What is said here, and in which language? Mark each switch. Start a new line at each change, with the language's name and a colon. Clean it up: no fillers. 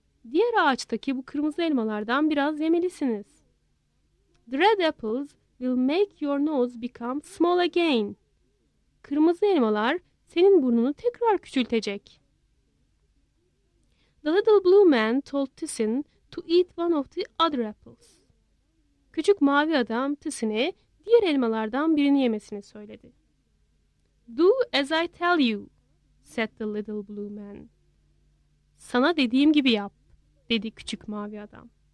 Turkish: Diğer ağaçtaki bu kırmızı elmalardan biraz yemelisiniz.
English: The red apples will make your nose become small again.
Turkish: Kırmızı elmalar senin burnunu tekrar küçültecek.
English: The little blue man told Tyson to eat one of the other apples.
Turkish: Küçük mavi adam Tyson'e diğer elmalardan birini yemesini söyledi.
English: Do as I tell you, said the little blue man.
Turkish: Sana dediğim gibi yap, dedi küçük mavi adam.